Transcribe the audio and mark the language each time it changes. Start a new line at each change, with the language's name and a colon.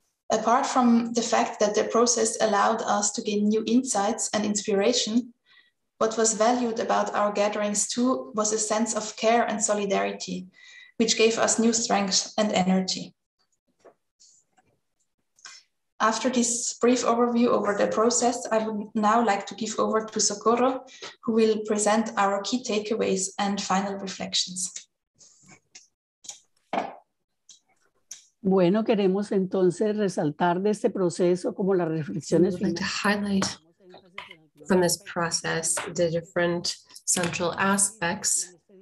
English: Apart from the fact that the process allowed us to gain new insights and inspiration, what was valued about our gatherings too was a sense of care and solidarity, which gave us new strength and energy. After this brief overview over the process, I would now like to give over to Socorro, who will present our key takeaways and final reflections.
Spanish: Bueno, queremos entonces resaltar de este proceso como las reflexiones.
English: We'd like to highlight from this process the different central aspects.